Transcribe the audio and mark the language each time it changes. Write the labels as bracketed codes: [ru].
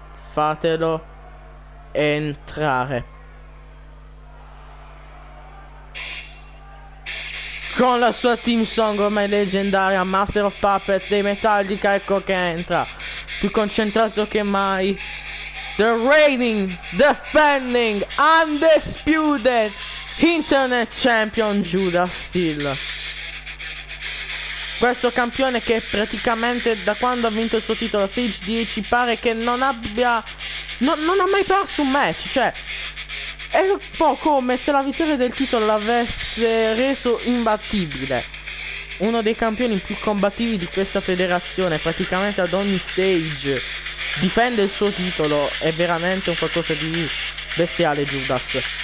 [it] Fatelo entrare. Con la sua team song ormai leggendaria, Master of Puppets dei Metallica, ecco che entra. Più concentrato che mai. [en] The reigning, defending, undisputed Internet Champion Judas Steel. [it] Questo campione che praticamente da quando ha vinto il suo titolo Siege 10 pare che non abbia... non ha mai perso un match, cioè... è un po' come se la vittoria del titolo l'avesse reso imbattibile. Uno dei campioni più combattivi di questa federazione, praticamente ad ogni stage difende il suo titolo, è veramente un qualcosa di bestiale Judas.